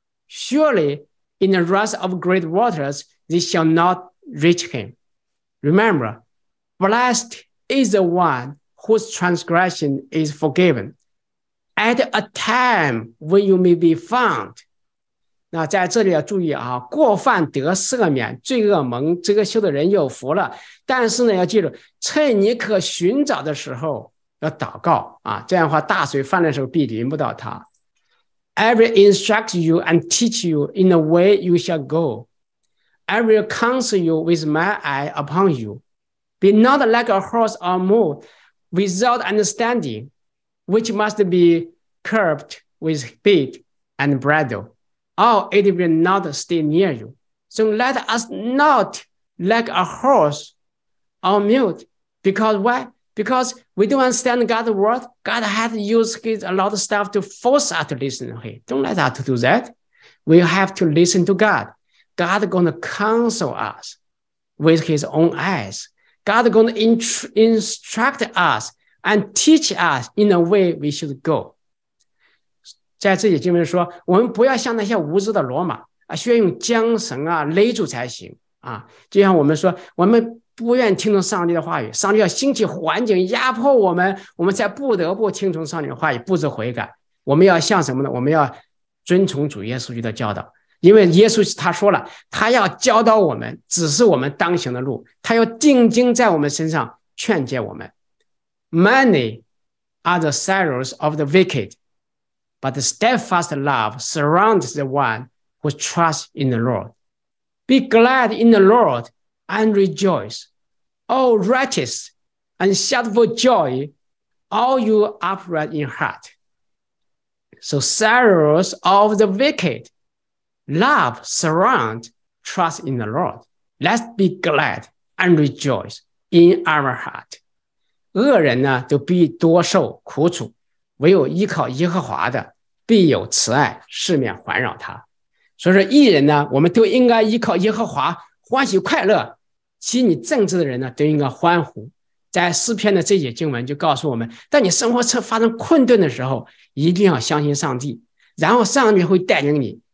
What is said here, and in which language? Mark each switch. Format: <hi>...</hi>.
<en>Surely, in the wrath of great waters, they shall not reach him. Remember,Blessed is the one whose transgression is forgiven at a time when you may be found.</en> <zh>那在这里要注意啊，过犯得赦免，罪恶蒙遮羞的人有福了。但是呢，要记住，趁你可寻找的时候要祷告啊，这样的话大水泛滥的时候必淋不到他。</zh> <en>I will instruct you and teach you in the way you shall go. I will counsel you with my eye upon you. Be not like a horse or mule without understanding, which must be curbed with bit and bridle, or it will not stay near you. So let us not like a horse or mule. Because why? Because we don't understand God's word. God has used his a lot of stuff to force us to listen to him. Don't let us do that. We have to listen to God. God is going to counsel us with his own eyes. God is going to instruct us and teach us in the way we should go.</en> <zh>在这里经文说，我们不要像那些无知的罗马啊，需要用缰绳啊勒住才行啊。就像我们说，我们不愿听从上帝的话语，上帝要兴起环境压迫我们，我们才不得不听从上帝的话语，不知悔改。我们要像什么呢？我们要遵从主耶稣基督的教导。因为耶稣他说了，他要教导我们，指示我们当行的路，他要定睛在我们身上劝诫我们。</zh> <en>Many are the sorrows of the wicked, but the steadfast love surrounds the one who trusts in the Lord. Be glad in the Lord and rejoice, O righteous, and shout for joy, all you upright in heart. So sorrows of the wickedLove, surround, trust in the Lord. Let's be glad and rejoice in our heart.</en> <zh>恶人呢，都必多受苦楚，唯有依靠耶和华的，必有慈爱赦免环绕他。所以说，义人呢，我们都应该依靠耶和华，欢喜快乐。其你正直的人呢，都应该欢呼。在诗篇的这些经文就告诉我们，当你生活发生困顿的时候，一定要相信上帝，然后上帝会带领你。</zh>